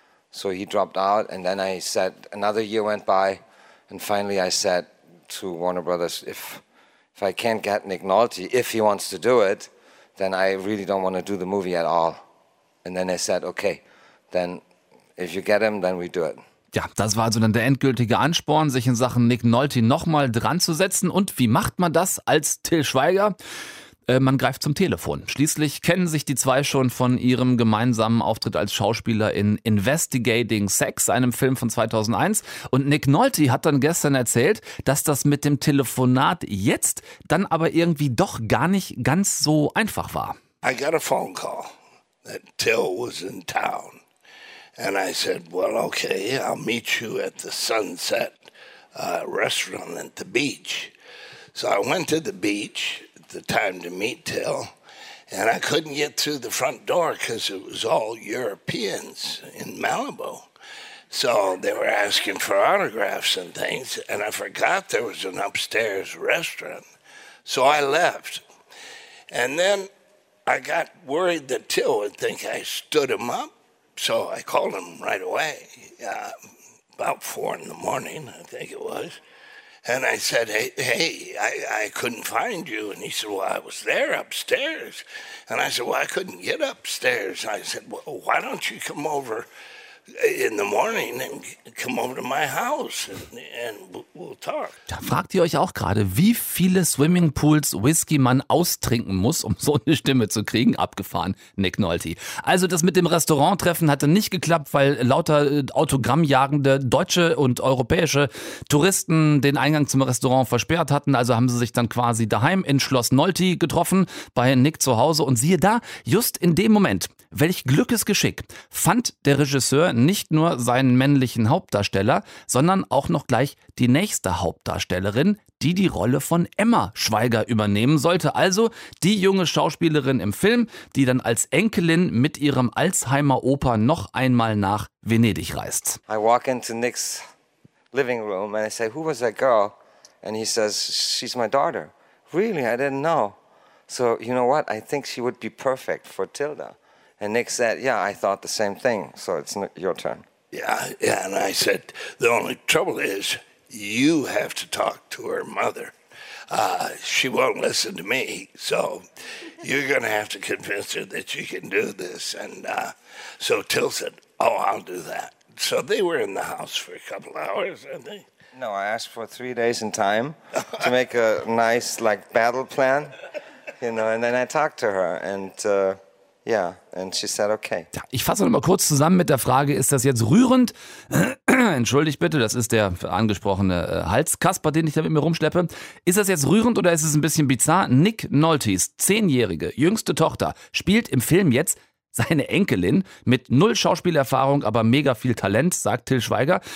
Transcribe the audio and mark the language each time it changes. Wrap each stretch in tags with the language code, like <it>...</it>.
<en>So he dropped out and then I said, another year went by. And finally I said to Warner Brothers, If I can't get Nick Nolte, if he wants to do it, then I really don't want to do the movie at all. And then I said, okay, then if you get him, then we do it.</en> <de>Ja, das war also dann der endgültige Ansporn, sich in Sachen Nick Nolte nochmal dran zu setzen. Und wie macht man das als Till Schweiger? Man greift zum Telefon. Schließlich kennen sich die zwei schon von ihrem gemeinsamen Auftritt als Schauspieler in Investigating Sex, einem Film von 2001. Und Nick Nolte hat dann gestern erzählt, dass das mit dem Telefonat jetzt dann aber irgendwie doch gar nicht ganz so einfach war.</de> <en>I got a phone call that Till was in town. And I said, well, okay, I'll meet you at the Sunset restaurant at the beach. So I went to the beach. The time to meet Till, and I couldn't get through the front door because it was all Europeans in Malibu. So they were asking for autographs and things, and I forgot there was an upstairs restaurant. So I left. And then I got worried that Till would think I stood him up, so I called him right away, about 4 a.m, I think it was. And I said, hey, I couldn't find you. And he said, well, I was there upstairs. And I said, well, I couldn't get upstairs. I said, well, why don't you come over in the morning and come over to my house and we'll talk.</en> <de>Da fragt ihr euch auch gerade, wie viele Swimmingpools Whisky man austrinken muss, um so eine Stimme zu kriegen. Abgefahren, Nick Nolte. Also das mit dem Restauranttreffen hatte nicht geklappt, weil lauter autogrammjagende deutsche und europäische Touristen den Eingang zum Restaurant versperrt hatten. Also haben sie sich dann quasi daheim in Schloss Nolte getroffen, bei Nick zu Hause. Und siehe da, just in dem Moment, welch Glückesgeschick, fand der Regisseur nicht nur seinen männlichen Hauptdarsteller, sondern auch noch gleich die nächste Hauptdarstellerin, die die Rolle von Emma Schweiger übernehmen sollte. Also die junge Schauspielerin im Film, die dann als Enkelin mit ihrem Alzheimer-Opa noch einmal nach Venedig reist.</de> <en>I walk into Nick's living room and I say, who was that girl? And he says, she's my daughter. Really? I didn't know. So, you know what? I think she would be perfect for Tilda. And Nick said, yeah, I thought the same thing, so it's your turn. Yeah, and I said, the only trouble is you have to talk to her mother. She won't listen to me, so you're going to have to convince her that you can do this. And so Till said, oh, I'll do that. So they were in the house for a couple hours, I think. No, I asked for 3 days in time to make a nice, like, battle plan, you know, and then I talked to her, and... Ja, and she said okay.</en> <de>Ja, ich fasse noch mal kurz zusammen mit der Frage, ist das jetzt rührend? Entschuldigt bitte, das ist der angesprochene Halskasper, den ich da mit mir rumschleppe. Ist das jetzt rührend oder ist es ein bisschen bizarr? Nick Nolte's 10-jährige jüngste Tochter spielt im Film jetzt seine Enkelin mit null Schauspielerfahrung, aber mega viel Talent, sagt Til Schweiger.</de>